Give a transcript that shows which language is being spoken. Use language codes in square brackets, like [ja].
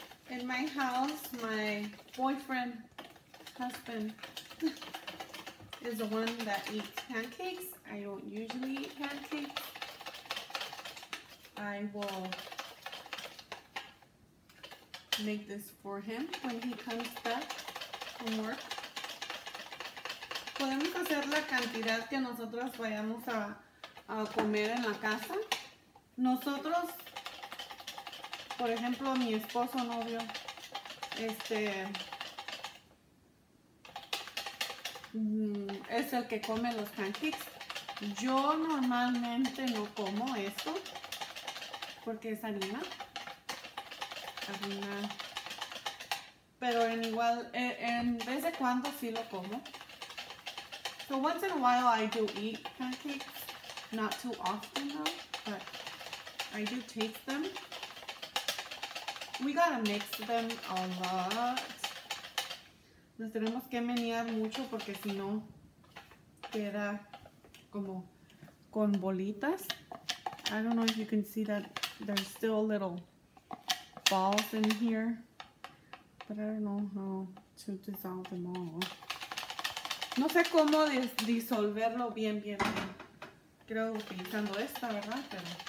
[en] In my house, my boyfriend, husband, is the one that eats pancakes. I don't usually eat pancakes. I will make this for him when he comes back from work. [es] Podemos hacer la cantidad que nosotros vayamos a comer en la casa. Nosotros, por ejemplo, mi esposo, novio, es el que come los pancakes. Yo normalmente no como esto porque es harina. Harina. Pero en igual, en vez de cuando sí lo como. [en] So once in a while I do eat pancakes. Not too often though, but I do taste them. We gotta mix them a lot. [es] Nos tenemos que menear mucho porque si no queda como con bolitas. [en] I don't know if you can see that there's still little balls in here. But I don't know how to dissolve them all. [es] No sé cómo disolverlo bien. Creo utilizando esta, ¿verdad? Pero...